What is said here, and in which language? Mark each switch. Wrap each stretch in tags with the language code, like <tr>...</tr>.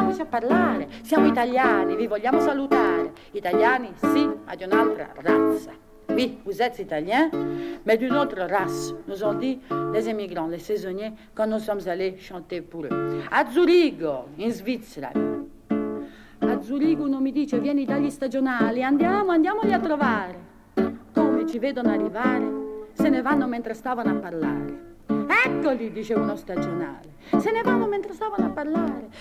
<it>Parlare, siamo italiani, vi vogliamo salutare. Italiani, sì, ma di un'altra razza.</it> <fr>Oui, vous êtes italien, mais d'une autre race, nous ont dit les immigrants, les saisonniers, quand nous sommes allés chanter pour eux.</fr> <it>A Zurigo, in Svizzera. A Zurigo, uno mi dice, vieni dagli stagionali, andiamo, andiamoli a trovare. Come ci vedono arrivare, se ne vanno mentre stavano a parlare. Eccoli, dice uno stagionale. Se ne vanno mentre stavano a parlare.</it>